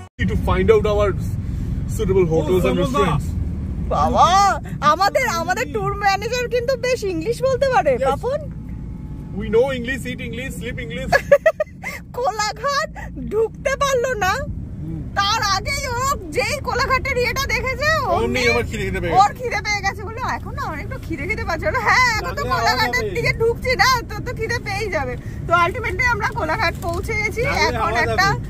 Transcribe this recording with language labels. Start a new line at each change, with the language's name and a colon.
English: to find out our suitable hotels and restaurants.
Bangla: Baba, আমাদের tour manager কিন্তু বেশ English বলতে পারে, Bapan.
English: We know English, eat English, sleep English.
Bangla: Kolaghat ঢুকতে পারলো না, তার আগে লোক যেই কোলাঘাটের ইয়েটা দেখেছে, ওর খিদে পেয়ে গেছে, বললো এখন না অনেক তো খিদে খিদে পাচ্ছে, হ্যাঁ এখন তো কোলাঘাটের দিকে ঢুকছি না, তোর তো খিদে পেয়েই যাবে। তো আলটিমেটলি আমরা কোলাঘাট পৌঁছে গেছি, এখন একটা